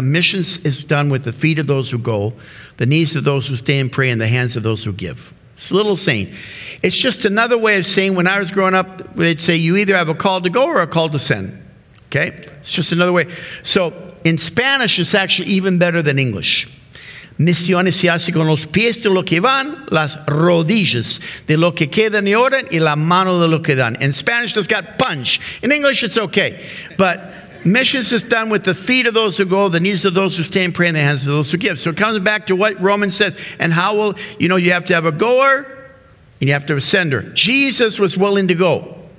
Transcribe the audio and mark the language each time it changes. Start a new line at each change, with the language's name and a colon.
English: Missions is done with the feet of those who go, the knees of those who stay and pray, and the hands of those who give. It's a little saying. It's just another way of saying, when I was growing up, they'd say, you either have a call to go or a call to send. Okay? It's just another way. So in Spanish, it's actually even better than English.
Spanish: Misiones se hace con los pies de lo que van, las rodillas de lo que quedan y oran, y la mano de lo que dan.
English: In Spanish, it's got punch. In English, it's okay. But missions is done with the feet of those who go, the knees of those who stay and pray, and the hands of those who give. So it comes back to what Romans says. And how will, you know, you have to have a goer, and you have to have a sender. Jesus was willing to go.